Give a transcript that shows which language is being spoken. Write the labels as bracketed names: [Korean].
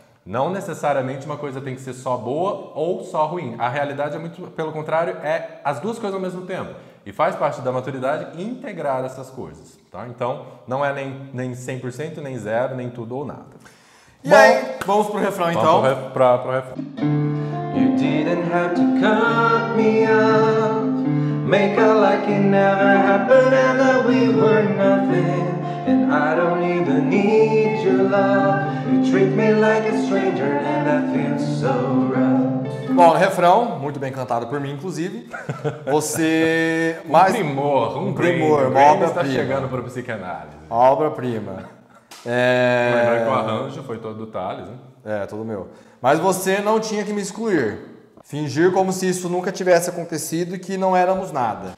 [Portuguese] Não necessariamente uma coisa tem que ser só boa ou só ruim. A realidade é muito, pelo contrário, é as duas coisas ao mesmo tempo. E faz parte da maturidade integrar essas coisas, tá? Então, não é nem 100%, nem zero, nem tudo ou nada. E bom, aí, vamos pro refrão, vamos então? Vamos pro refrão. [English] You didn't have to cut me off, make out like it never happened and that we were nothing. And I don't even need your love. You treat me like a stranger and I feel so rough. [Portuguese] Bom, refrão, muito bem cantado por mim, inclusive. Você... Um primor, uma obra-prima. Está chegando para a psicanálise. Obra-prima. Lembrando que o arranjo foi todo do Thales, né? É, todo meu. Mas você não tinha que me excluir. Fingir como se isso nunca tivesse acontecido e que não éramos nada.